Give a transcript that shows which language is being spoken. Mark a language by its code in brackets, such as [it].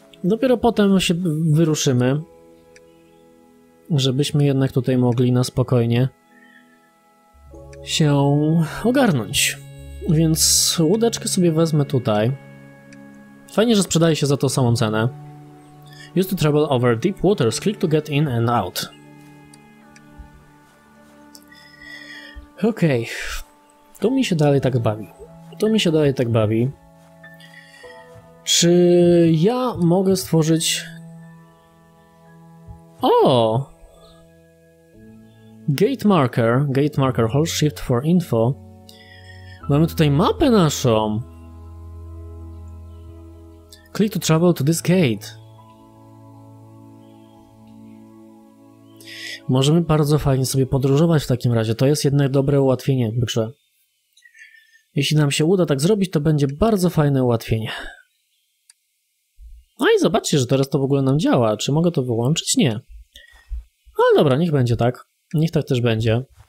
[pl] Dopiero potem się wyruszymy, żebyśmy jednak tutaj mogli na spokojnie się ogarnąć. Więc łódeczkę sobie wezmę tutaj. Fajnie, że sprzedaje się za tą samą cenę. [en] Used to travel over deep waters, click to get in and out. [pl] Okej. Okay. To mi się dalej tak bawi. To mi się dalej tak bawi. Czy ja mogę stworzyć... O! Gate marker. [en] Gate marker, hold shift for info. [pl] Mamy tutaj mapę naszą. [en] Click to travel to this gate. [pl] Możemy bardzo fajnie sobie podróżować w takim razie. To jest jednak dobre ułatwienie w grze. Jeśli nam się uda tak zrobić, to będzie bardzo fajne ułatwienie. No i zobaczcie, że teraz to w ogóle nam działa. Czy mogę to wyłączyć? Nie. Ale dobra, niech będzie tak. Niech tak też będzie.